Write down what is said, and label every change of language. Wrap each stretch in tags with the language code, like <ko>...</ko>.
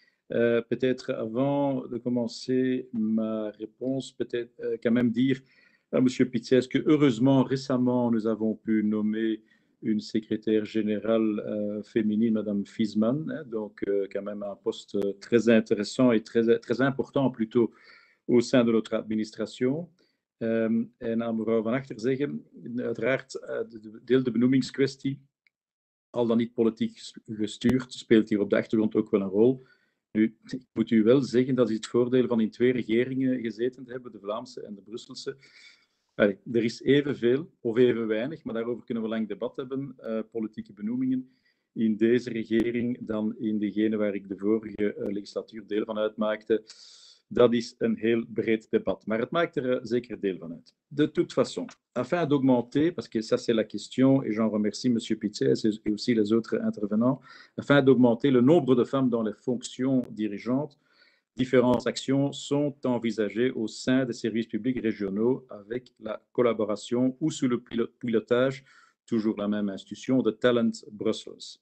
<fr>Peut-être avant de commencer ma réponse, peut-être quand même dire à M. Pitsès que heureusement, récemment, nous avons pu nommer une secrétaire générale féminine, Madame Fiesman, hein, donc quand même un poste très intéressant et très, très important plutôt au sein de notre administration.</fr> <nl>En aan mevrouw Van Achter zeggen, uiteraard deel de benoemingskwestie, al dan niet politiek gestuurd, speelt hier op de achtergrond ook wel een rol. Nu, ik moet u wel zeggen, dat is het voordeel van in twee regeringen gezeten te hebben, de Vlaamse en de Brusselse. Allee, er is evenveel of even weinig, maar daarover kunnen we lang debat hebben, politieke benoemingen in deze regering dan in degene waar ik de vorige legislatuur deel van uitmaakte. Dat is een heel breed debat, maar het maakt er zeker deel van uit.</nl> <fr>De toute façon, afin d'augmenter, parce que ça c'est la question, et j'en remercie M. Pitsès et aussi les autres intervenants, afin d'augmenter le nombre de femmes dans les fonctions dirigeantes, différentes actions sont envisagées au sein des services publics régionaux avec la collaboration ou sous le pilotage, toujours la même institution, de Talent Brussels.</fr>